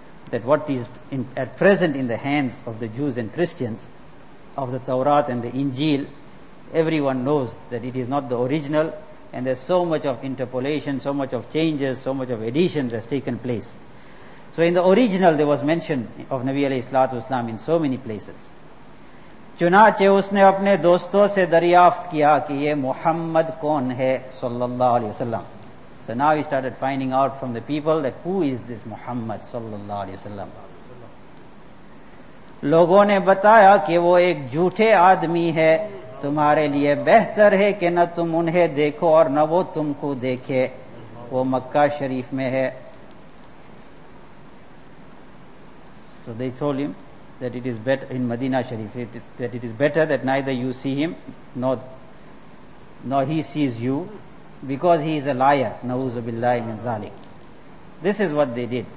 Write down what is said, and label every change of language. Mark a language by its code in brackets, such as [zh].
[en] that what is at present in the hands of the Jews and Christians, of the Torah and the Injil, everyone knows that it is not the original, and there's so much of interpolation, so much of changes, so much of additions has taken place. So in the original there was mention of Nabi alayhi salatu wasalam in so many places. [ur] چنانچہ اس نے اپنے دوستوں سے دریافت کیا کہ یہ محمد کون ہے صلی اللہ علیہ وسلم. [en] So now he started finding out from the people that who is this Muhammad صلی اللہ علیہ وسلم. [ur] لوگوں نے بتایا کہ وہ ایک جھوٹے آدمی ہے, تمہارے لیے بہتر ہے کہ نہ تم انہیں دیکھو اور نہ وہ تم کو دیکھے. وہ مکہ شریف میں ہے. [en] So they told him that it is better in Medina Sharif, that it is better that neither you see him nor he sees you, because he is a liar. [ar] Na'uzu billahi min zalik. [en] This is what they did.